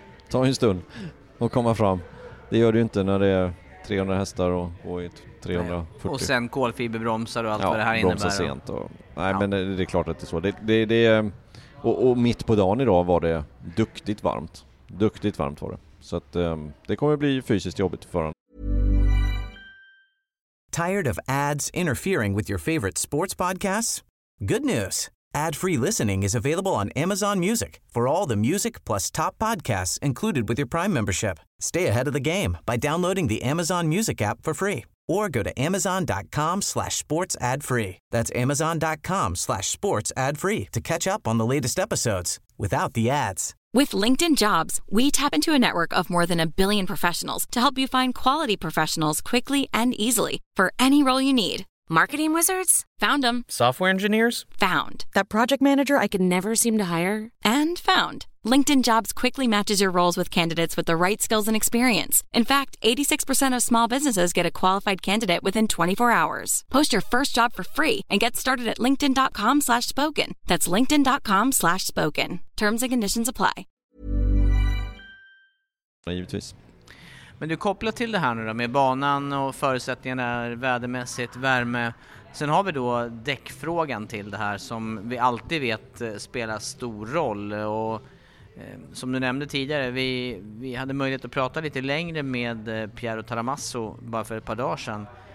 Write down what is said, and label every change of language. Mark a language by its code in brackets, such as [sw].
[sv] Ta en stund och komma fram. Det gör du inte när det är 300 hästar och 340. Och sen kolfiberbromsar och allt vad det här innebär. Bromsar sent. Men det är klart att det är så. Och mitt på dagen idag var det duktigt varmt. Duktigt varmt var det. Så att det kommer bli fysiskt jobbigt för honom. [en] Tired of ads interfering with your favorite sports podcasts? Good news. Ad-free listening is available on Amazon Music for all the music plus top podcasts included with your Prime membership. Stay ahead of the game by downloading the Amazon Music app for free or go to amazon.com/sportsadfree. That's amazon.com/sportsadfree to catch up on the latest episodes without the ads. With LinkedIn Jobs, we tap into a network of more than a billion professionals to help you find quality professionals quickly and easily for any role you need. Marketing wizards? Found them. Software engineers? Found. That project manager I could never seem to hire? And found. LinkedIn Jobs quickly matches your roles with candidates with the right skills and experience. In fact, 86% of small businesses get a qualified candidate within 24 hours. Post your first job for free and get started at linkedin.com/spoken. That's linkedin.com/spoken. Terms and conditions apply. [sv] Givetvis. Men du kopplar till det här nu då, med banan och förutsättningarna, vädermässigt, värme. Sen har vi då däckfrågan till det här som vi alltid vet spelar stor roll. Och som du nämnde tidigare, vi hade möjlighet att prata lite längre med Piero Taramasso bara för ett par dagar sedan.